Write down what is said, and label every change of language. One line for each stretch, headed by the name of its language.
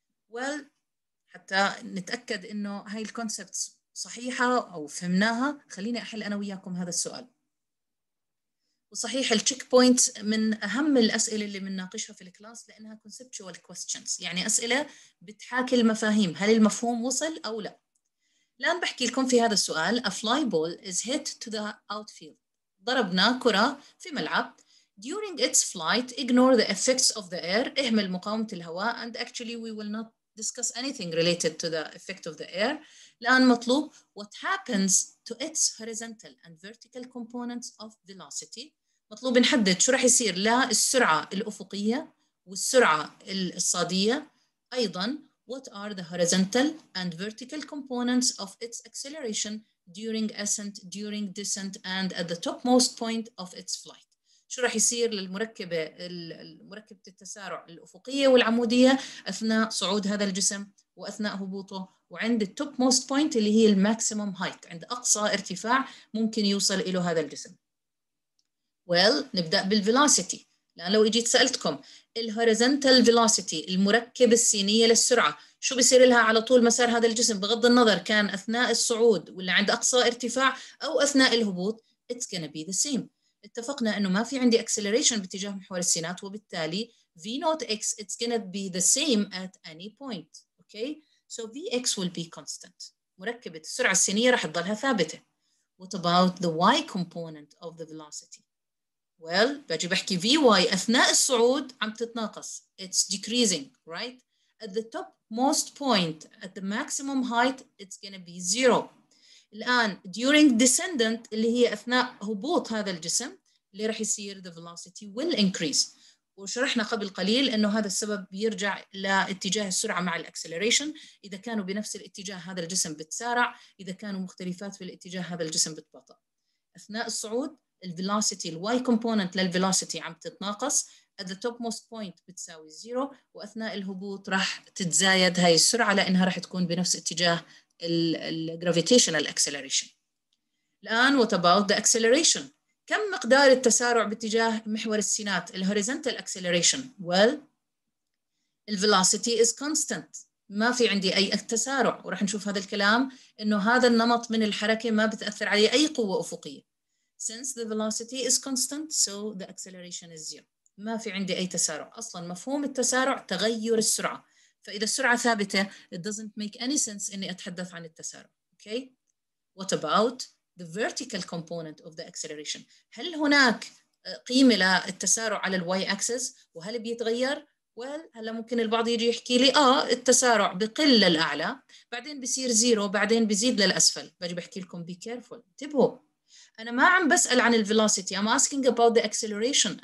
Arabic: Well, حتى نتأكد إنه هاي الكونسبت صحيحة أو فهمناها، خليني أحل أنا وياكم هذا السؤال. وصحيح الـ checkpoint من أهم الأسئلة اللي منناقشها في الكلاس لأنها
English: conceptual questions،
Arabic: يعني أسئلة بتحاكي المفاهيم، هل المفهوم وصل أو لا؟ الآن بحكي لكم في هذا السؤال.
English: A fly ball is hit to the outfield.
Arabic: ضربنا كرة في ملعب.
English: During its flight, ignore the effects of the air.
Arabic: اهمل مقاومة الهواء.
English: And actually, we will not discuss anything related to the effect of the air.
Arabic: الآن مطلوب.
English: What happens to its horizontal and vertical components of velocity?
Arabic: مطلوب نحدد شو رح يصير للسرعة الأفقية والسرعة الصادية.
English: أيضاً What are the horizontal and vertical components of its acceleration during ascent, during descent, and at the topmost point of its flight?
Arabic: شو راح يصير للمركبة المركبة التسارع الأفقية والعمودية أثناء صعود هذا الجسم وأثناء هبوطه وعند
English: the topmost point
Arabic: اللي هي
English: the maximum height
Arabic: عند أقصى ارتفاع ممكن يوصل إلى هذا الجسم. Well, نبدأ بالvelocity. لأن لو إجيت سألتكم الهوريزنتال فيلوسيتي المركبة السينية للسرعة شو بيصير لها على طول مسار هذا الجسم بغض النظر كان أثناء الصعود ولا عند أقصى ارتفاع أو أثناء الهبوط
English: it's gonna be the same.
Arabic: اتفقنا أنه ما في عندي acceleration باتجاه محور السينات وبالتالي v naught x
English: it's gonna be the same at any point. Okay, so vx will be constant.
Arabic: مركبة السرعة السينية رح تضلها ثابتة.
English: What about the y component of the velocity?
Arabic: Well, بجي بحكي Vy أثناء الصعود عم تتناقص.
English: It's decreasing, right? At the topmost point, at the maximum height, it's going to be zero.
Arabic: الآن,
English: during descendant,
Arabic: اللي هي أثناء هبوط هذا الجسم, اللي رح يصير
English: the velocity will increase.
Arabic: وشرحنا قبل قليل أنه هذا السبب بيرجع لاتجاه السرعة مع الأكسلريشن. إذا كانوا بنفس الاتجاه هذا الجسم بتسارع, إذا كانوا مختلفات في الاتجاه هذا الجسم بتبطأ. أثناء الصعود, الفيلوسيتي الـ y component للفيلوسيتي عم تتناقص
English: at the topmost point
Arabic: بتساوي zero وأثناء الهبوط راح تتزايد هاي السرعة لأنها راح تكون بنفس اتجاه الـ gravitational acceleration. الآن
English: what about the acceleration؟
Arabic: كم مقدار التسارع باتجاه محور السينات الـ horizontal acceleration؟ Well, الفيلوسيتي
English: is constant
Arabic: ما في عندي أي تسارع، ورح نشوف هذا الكلام إنه هذا النمط من الحركة ما بتأثر عليه أي قوة أفقية.
English: Since the velocity is constant, so the acceleration is zero.
Arabic: ما في عندي أي تسارع. أصلاً مفهوم التسارع تغير السرعة. فإذا السرعة ثابتة,
English: it doesn't make any sense
Arabic: إني أتحدث عن التسارع. Okay?
English: What about the vertical component of the acceleration?
Arabic: هل هناك قيمة للتسارع على الـ y-axis وهل بيتغير؟ Well, هلا ممكن البعض يجي يحكي لي التسارع بقل للأعلى بعدين بصير زيرو بعدين بزيد للأسفل. بجي بحكي لكم
English: be careful,
Arabic: انتبهوا. أنا ما عم بسأل عن الـ velocity,
English: I'm asking about the acceleration.